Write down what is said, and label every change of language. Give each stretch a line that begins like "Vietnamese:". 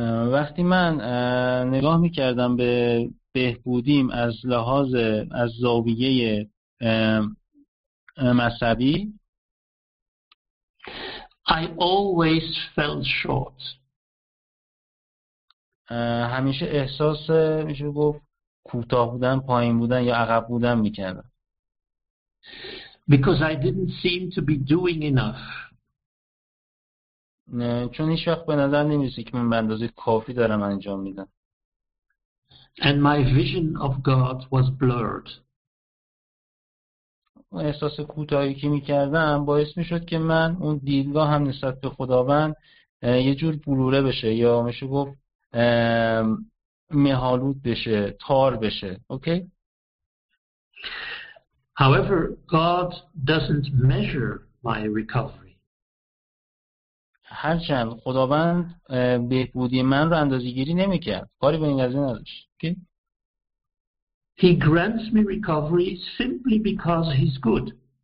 Persian: وقتی من نگاه میکردم به بهبودیم از لحاظ از زاویه مذهبی.
English: I always fell short.
Persian: همیشه احساس میشه گفت کوتاه بودن، پایین بودن یا عقب بودن میکردم.
English: Because I didn't seem to be doing enough.
Persian: چون هیچ وقت به نظر نمیرسه که من به اندازه کافی دارم انجام میدم.
English: And my vision of God was blurred.
Persian: احساس کوتاهی که میکردم باعث میشد که من اون دیدگاه هم نسبت به خداوند یه جور بلوره بشه یا میشه گفت مهالود بشه، تار بشه. اوکی.
English: However, God doesn't measure my recovery.
Persian: هرچند خداوند بهبودی من رو اندازه‌گیری نمی‌کرد. کاری به این قضیه نداشت. اوکی.
English: He grants me recovery simply because he's good.